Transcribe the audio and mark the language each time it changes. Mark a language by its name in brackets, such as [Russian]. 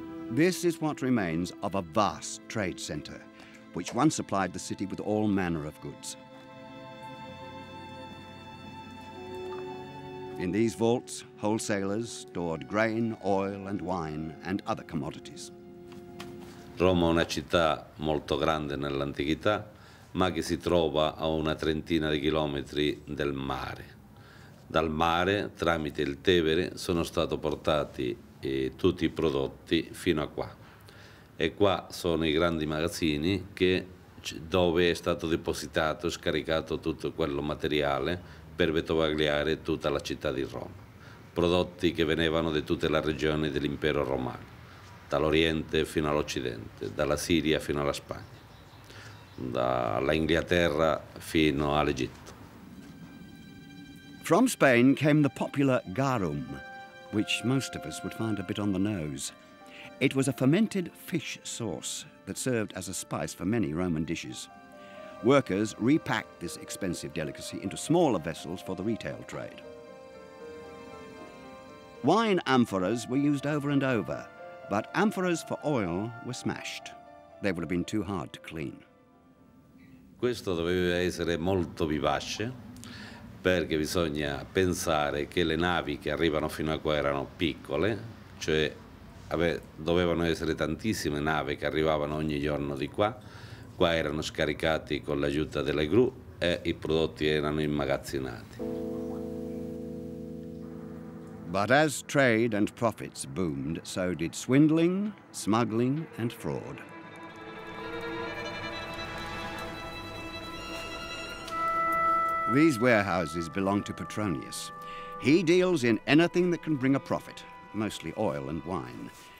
[English] This is what remains of a vast trade center, which once supplied the city with all manner of goods. In these vaults, wholesalers stored grain, oil and wine and other commodities. [Italian] Roma è una città molto grande nell'antichità, ma che si trova a una trentina di chilometri dal mare. Dal mare, tramite il Tevere, sono stati portati e tutti i prodotti fino a qua. E qua sono i grandi magazzini che, dove è stato depositato, scaricato tutto quello materiale per vetovagliare tutta la città di Roma. Prodotti che venivano da tutte le regioni dell'impero romano, dall'Oriente fino all'Occidente, dalla Siria fino alla Spagna, dall'Inghilterra fino all'Egitto. [English] From Spain came the popular garum, which most of us would find a bit on the nose. It was a fermented fish sauce that served as a spice for many Roman dishes. Workers repacked this expensive delicacy into smaller vessels for the retail trade. Wine amphoras were used over and over, but amphoras for oil were smashed. They would have been too hard to clean. [Italian] Questo doveva essere molto vivace, perché bisogna pensare che le navi che arrivano fino a qua erano piccole, cioè dovevano essere tantissime navi che arrivavano ogni giorno di qua. Qua erano scaricati con l'aiuto delle gru e i prodotti erano immagazzinati. [English] But as trade and profits boomed, so did swindling, smuggling and fraud. These warehouses belong to Petronius. He deals in anything that can bring a profit, mostly oil and wine.